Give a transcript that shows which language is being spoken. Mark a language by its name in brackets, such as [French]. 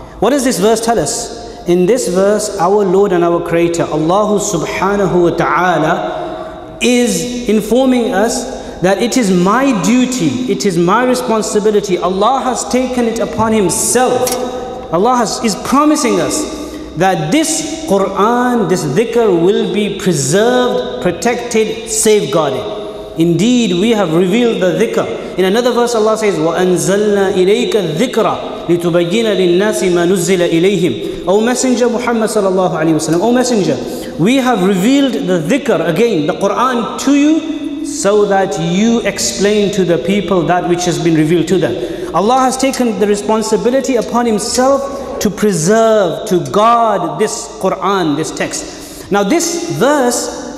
[English] What does this verse tell us? In this verse, our Lord and our Creator, Allah subhanahu wa ta'ala, is informing us that it is my duty, it is my responsibility. Allah has taken it upon Himself. Allah is promising us that this Quran, this dhikr, will be preserved, protected, safeguarded. Indeed, we have revealed the dhikr. In another verse, Allah says, [Arabic] وَأَنزَلْنَا إِلَيْكَ الذِّكْرَ لِتُبَيِّنَ لِلنَّاسِ مَا نُزِّلَ إِلَيْهِمْ. [English] O Messenger Muhammad sallallahu alayhi wa sallam, O Messenger, we have revealed the dhikr, again, the Quran, to you so that you explain to the people that which has been revealed to them. Allah has taken the responsibility upon Himself to preserve, to guard this Quran, this text. Now this verse